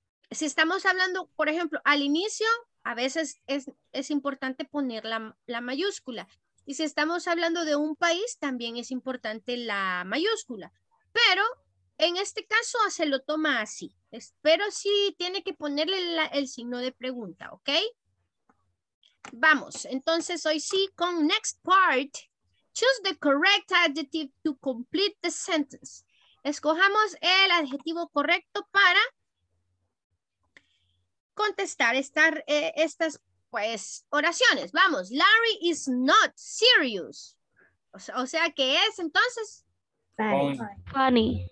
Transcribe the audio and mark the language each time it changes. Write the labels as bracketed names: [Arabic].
[Spanish] Si estamos hablando, por ejemplo, al inicio, a veces es importante poner la mayúscula. Y si estamos hablando de un país, también es importante la mayúscula. Pero en este caso se lo toma así. Pero sí tiene que ponerle el signo de pregunta, ¿ok? Vamos, entonces hoy sí con [English] next part. Choose the correct adjective to complete the sentence. [Spanish] Escojamos el adjetivo correcto para contestar estas pues oraciones. Vamos, [English] Larry is not serious. [Spanish] O sea, ¿qué es entonces? [English] Funny.